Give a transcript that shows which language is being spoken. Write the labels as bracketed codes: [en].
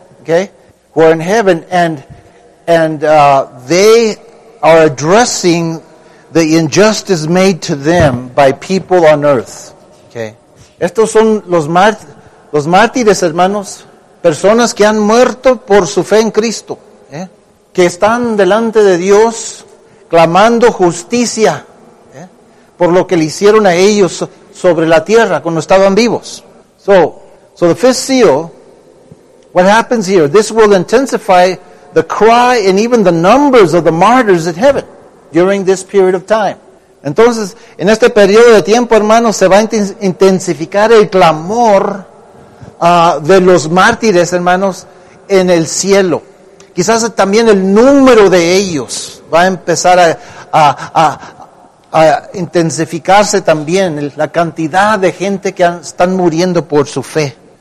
[en] Okay, who are in heaven and they are addressing the injustice made to them by people on earth. Okay. [es] Estos son los mártires, hermanos, personas que han muerto por su fe en Cristo, que están delante de Dios clamando justicia por lo que le hicieron a ellos sobre la tierra cuando estaban vivos. [en] So the fifth seal, what happens here? This will intensify the cry and even the numbers of the martyrs in heaven during this period of time. [es] Entonces, en este periodo de tiempo, hermanos, se va a intensificar el clamor de los mártires, hermanos, en el cielo. Quizás también el número de ellos va a empezar a intensificarse también, la cantidad de gente que están muriendo por su fe.